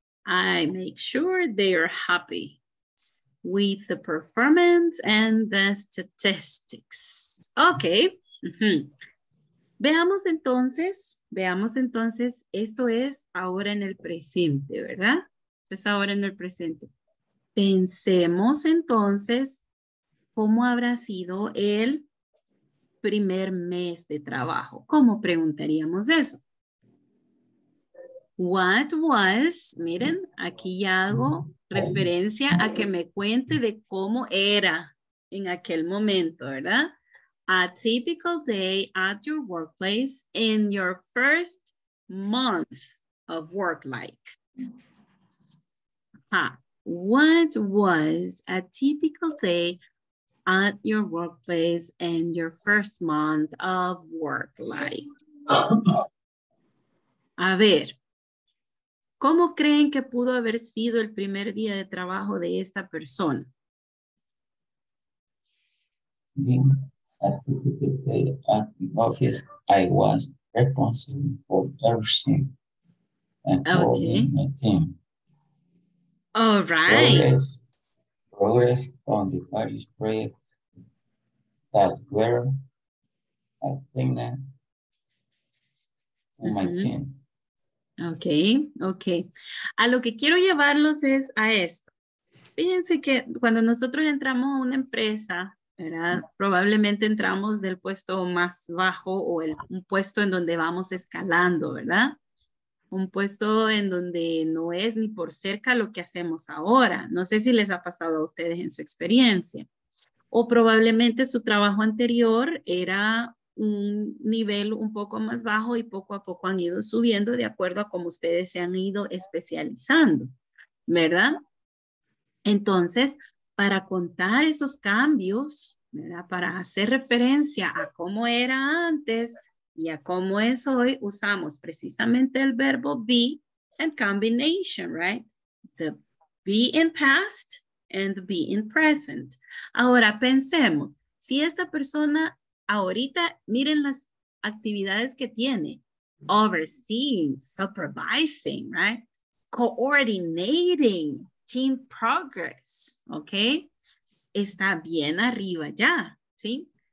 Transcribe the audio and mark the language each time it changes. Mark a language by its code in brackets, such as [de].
[en] I make sure they are happy with the performance and the statistics. Okay. [es] Veamos entonces, esto es ahora en el presente, ¿verdad? Es ahora en el presente. Pensemos entonces cómo habrá sido el primer mes de trabajo. ¿Cómo preguntaríamos eso? [en] What was, [es] miren, aquí ya hago referencia a que me cuente de cómo era en aquel momento, ¿verdad? [en] A typical day at your workplace in your first month of work life. What was a typical day at your workplace in your first month of work life? [es] A ver. ¿Cómo creen que pudo haber sido el primer día de trabajo de esta persona? [en] Being a typical day at the office, I was responsible for everything and coordinating my team. All right. Progress on the various projects that were assigned to my team. Ok. [es] A lo que quiero llevarlos es a esto. Fíjense que cuando nosotros entramos a una empresa, ¿verdad? Probablemente entramos del puesto más bajo o un puesto en donde vamos escalando, ¿verdad? Un puesto en donde no es ni por cerca lo que hacemos ahora. No sé si les ha pasado a ustedes en su experiencia. O probablemente su trabajo anterior era un nivel un poco más bajo y poco a poco han ido subiendo de acuerdo a cómo ustedes se han ido especializando, ¿verdad? Entonces, para contar esos cambios, ¿verdad? Para hacer referencia a cómo era antes y a cómo es hoy, usamos precisamente el verbo [en] be and combination, right? The be in past and the be in present. [es] Ahora pensemos, si esta persona ahorita miren las actividades que tiene. [en] Overseeing, supervising, right? Coordinating, team progress, ¿ok? [es] Está bien arriba ya, ¿sí?